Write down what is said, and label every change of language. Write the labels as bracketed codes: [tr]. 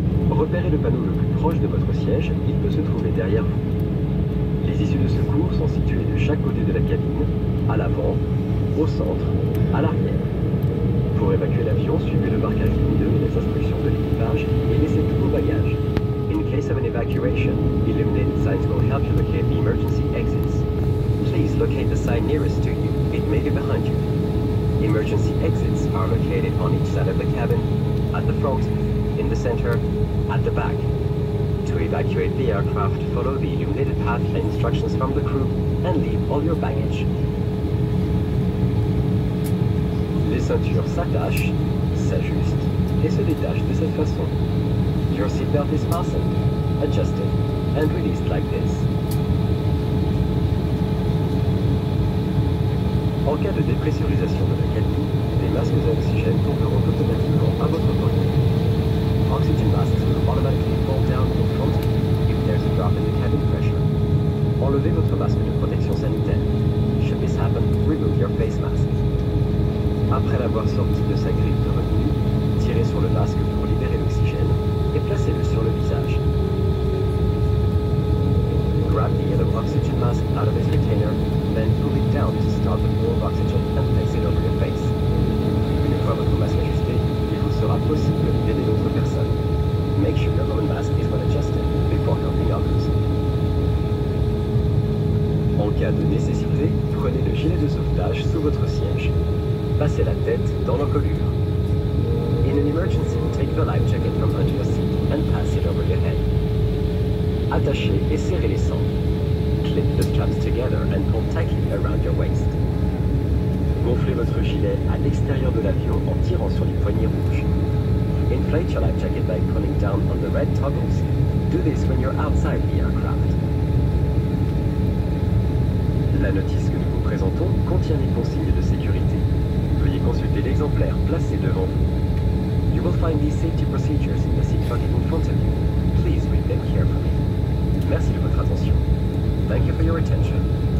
[fr] Repérez le panneau le plus proche de votre siège, il peut se trouver derrière vous. Les issues de secours sont situées de chaque côté de la cabine, à l'avant, au centre, à l'arrière. Pour évacuer l'avion, suivez le marquage lumineux et les instructions de l'équipage et laissez tous vos bagages. [en] In case of an evacuation, illuminated signs will help you locate the emergency exits. Please locate the sign nearest to you, it may be behind you. Emergency exits are located on each side of the cabin, at the front, in the center, at the back. To evacuate the aircraft, follow the illuminated path and instructions from the crew and leave all your baggage. [fr] Les ceintures s'attachent, s'ajustent et se détachent de cette façon. [en] Your seatbelt is fastened, adjusted, and released like this. [fr] En cas de dépressurisation de la cabine, les masques d'oxygène tomberont automatiquement à votre poignet. [en] Oxygen masks will automatically fall down in front of you if there's a drop in the cabin pressure. [fr] Enlevez votre masque de protection sanitaire. [en] Should this happen, remove your face mask. [fr] Après l'avoir sorti de sa grille de retenue, tirez sur le masque pour libérer l'oxygène et placez-le sur le visage. [en] Grab the yellow oxygen mask out of its container, then pull it down to start the pool of oxygen and place it over your face. [fr] Une fois votre masque ajusté, il vous sera possible d'aider d'autres personnes. [en] Make sure your own mask is well adjusted before helping others. [fr] En cas de nécessité, prenez le gilet de sauvetage sous votre siège. Passez la tête dans l'encolure. [en] In an emergency, take the life jacket from under your seat and pass it over your head. [fr] Attachez et serrez les sangles. [en] Clip the straps together and pull tightly around your waist. [fr] Gonflez votre gilet à l'extérieur de l'avion en tirant sur les poignées rouges. [en] Inflate your life jacket by pulling down on the red toggles. Do this when you're outside the aircraft. [fr] La notice que nous vous présentons contient les consignes de sécurité. Veuillez consulter l'exemplaire placé devant vous. [en] You will find these safety procedures in the seat pocket in front of you. Please read them carefully. [fr] Merci de votre attention. [en] Thank you for your attention.